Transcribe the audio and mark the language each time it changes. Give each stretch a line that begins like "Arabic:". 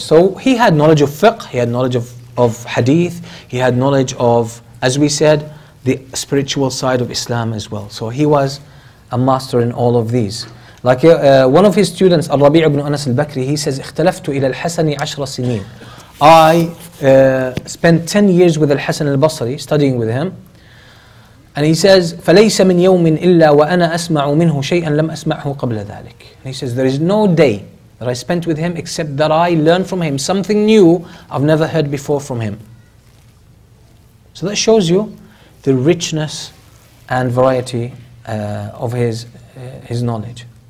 English: So he had knowledge of fiqh, he had knowledge of hadith, he had knowledge of, as we said, the spiritual side of Islam as well. So he was a master in all of these. Like one of his students, Al-Rabi' ibn Anas al-Bakri, he says,
Arabic: اختلفت إلى الحسن عشر سنين.
English: I spent 10 years with Al-Hasan al-Basri, studying with him. And he says,
Arabic: فليس من يوم إلا وأنا أسمع منه شيئا لم أسمعه قبل ذلك.
English: And he says, there is no day that I spent with him except that I learned from him something new I've never heard before from him. So that shows you the richness and variety of his knowledge.